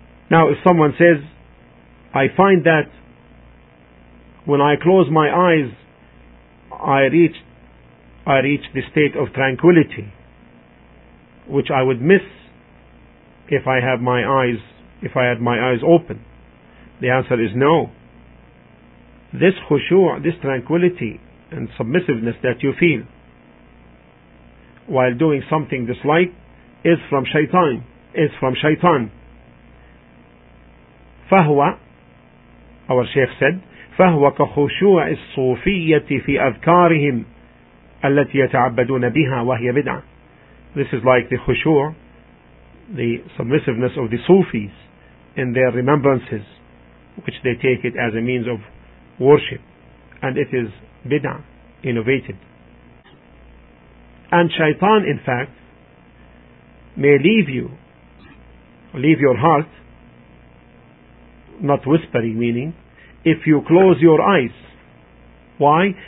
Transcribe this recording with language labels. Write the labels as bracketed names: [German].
[English] Now if someone says, I find that when I close my eyes I reach the state of tranquility which I would miss if I had my eyes open. The answer is no. This khushu', this tranquility and submissiveness that you feel while doing something disliked is from shaitan. [Arabic] فهو, [English] our Shaykh said, [Arabic] فهو كخشوع الصوفية في أذكارهم التي يتعبدون بها وهي بدعة. [English] This is like the khushu', the submissiveness of the Sufis in their remembrances, which they take it as a means of worship, and it is bid'ah, innovated. And shaitan, in fact, may leave your heart, not whispering, meaning, if you close your eyes. Why?